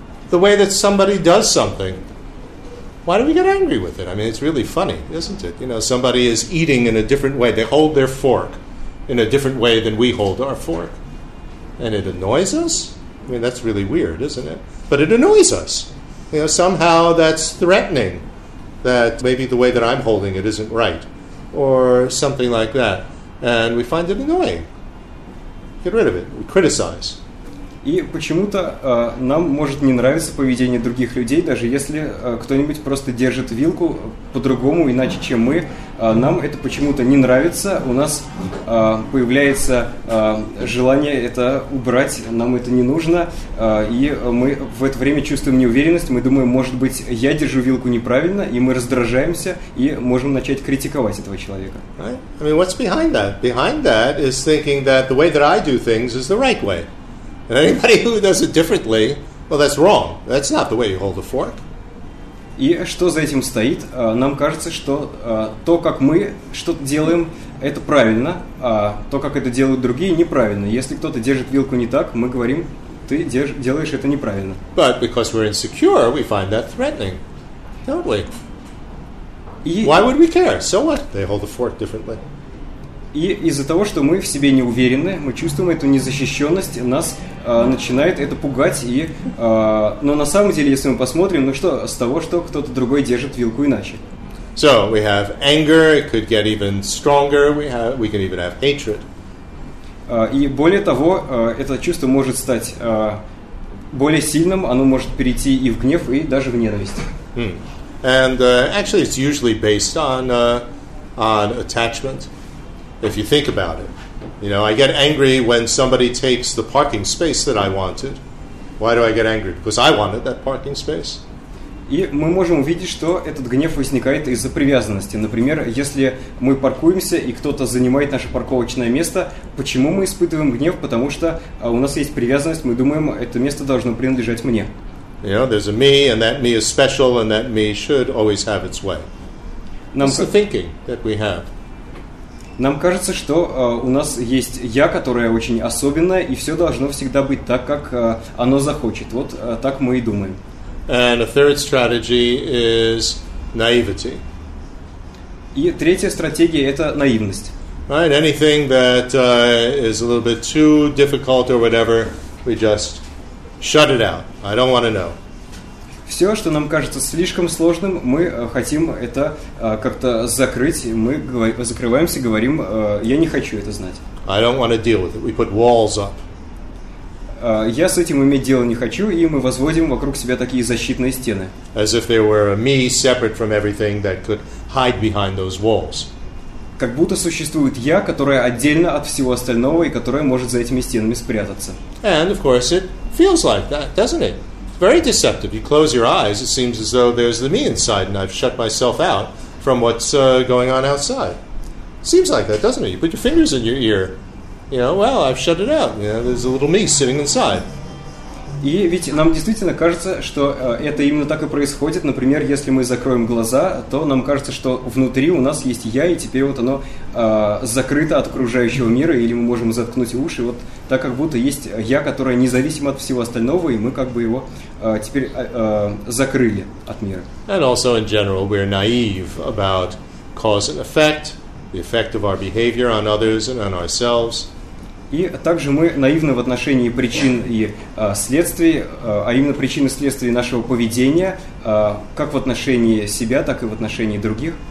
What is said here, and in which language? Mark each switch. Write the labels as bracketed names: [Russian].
[English] The way that somebody does something, why do we get angry with it? I mean, it's really funny, isn't it? You know, somebody is eating in a different way. They hold their fork in a different way than we hold our fork. And it annoys us? I mean, that's really weird, isn't it? But it annoys us. You know, somehow that's threatening, that maybe the way that I'm holding it isn't right, or something like that. And we find it annoying. Get rid of it. We criticize. [Russian] И почему-то нам может не нравиться поведение других людей, даже если кто-нибудь просто держит вилку по-другому, иначе, чем мы. Нам это почему-то не нравится. У нас появляется желание это убрать. Нам это не нужно. И мы в это время чувствуем неуверенность. Мы думаем, может быть, я держу вилку неправильно, и мы раздражаемся, и можем начать критиковать этого человека. [English] Right? I mean, what's behind that? Behind that is thinking that the way that I do things is the right way. And anybody who does it differently, well, that's wrong. That's not the way you hold a fork. [Russian] И что за этим стоит? Нам кажется, что то, как мы что-то делаем, это правильно, а то, как это делают другие, неправильно. Если кто-то держит вилку не так, мы говорим, ты делаешь это неправильно. [English] But because we're insecure, we find that threatening, don't we? Why would we care? So what? They hold a fork differently. [Russian] И из-за того, что мы в себе не уверены, мы чувствуем эту незащищенность, нас начинает это пугать. И, но на самом деле, если мы посмотрим, ну что, с того, что кто-то другой держит вилку иначе. [English] So, we have anger, it could get even stronger, we can even have hatred. [Russian] И более того, это чувство может стать более сильным, оно может перейти и в гнев, и даже в ненависть. [English] Hmm. And actually, it's usually based on attachment. If you think about it, you know, I get angry when somebody takes the parking space that I wanted. Why do I get angry? Because I wanted that parking space. [Russian] И мы можем увидеть, что этот гнев возникает из-за привязанности. Например, если мы паркуемся и кто-то занимает наше парковочное место, почему мы испытываем гнев? Потому что у нас есть привязанность. Мы думаем, это место должно принадлежать мне. [English] You know, there's a me, and that me is special, and that me should always have its way. It's the thinking that we have. [Russian] Нам кажется, что у нас есть «я», которое очень особенное, и все должно всегда быть так, как оно захочет. Вот так мы и думаем. [English] And a third strategy is naivety. [Russian] И третья стратегия – это наивность. [English] Right, anything that is a little bit too difficult or whatever, we just shut it out. I don't want to know. [Russian] Все, что нам кажется слишком сложным, мы хотим это как-то закрыть. Мы закрываемся, говорим, я не хочу это знать. [English] I don't want to deal with it. We put walls up. [Russian] Я с этим иметь дело не хочу, и мы возводим вокруг себя такие защитные стены. [English] As if there were a me separate from everything that could hide behind those walls. [Russian] Как будто существует я, которое отдельно от всего остального, и которое может за этими стенами спрятаться. [English] And, of course, it feels like that, doesn't it? Very deceptive. You close your eyes, it seems as though there's the me inside and I've shut myself out from what's going on outside. Seems like that, doesn't it? You put your fingers in your ear. You know, well, I've shut it out. You know, there's a little me sitting inside. [Russian] И ведь нам действительно кажется, что это именно так и происходит. Например, если мы закроем глаза, то нам кажется, что внутри у нас есть я, и теперь вот оно закрыто от окружающего мира, или мы можем заткнуть уши, вот так как будто есть я, которое независимо от всего остального, и мы как бы его теперь закрыли от мира. [English] And also in general, we're naive about cause and effect, the effect of our behavior on others and on ourselves. [Russian] И также мы наивны в отношении причин и следствий, а именно причин и следствий нашего поведения, как в отношении себя, так и в отношении других.